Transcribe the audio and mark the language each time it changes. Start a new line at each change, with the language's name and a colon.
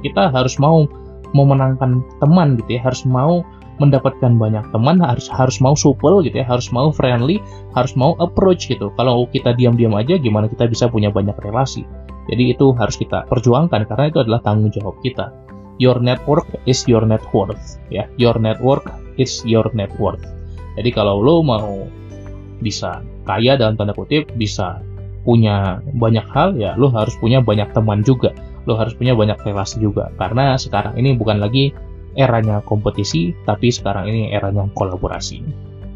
Indonesian: Kita harus mau memenangkan teman gitu ya, harus mau mendapatkan banyak teman, harus mau supel gitu ya, harus mau friendly, harus mau approach gitu. Kalau kita diam-diam aja, gimana kita bisa punya banyak relasi? Jadi itu harus kita perjuangkan karena itu adalah tanggung jawab kita.
English: Your network is your net worth, ya. Your network is your net worth.
Indonesian: Jadi kalau lo mau bisa kaya dalam tanda kutip, bisa punya banyak hal, ya lo harus punya banyak teman juga. Lo harus punya banyak relasi juga. Karena sekarang ini bukan lagi eranya kompetisi, tapi sekarang ini eranya kolaborasi.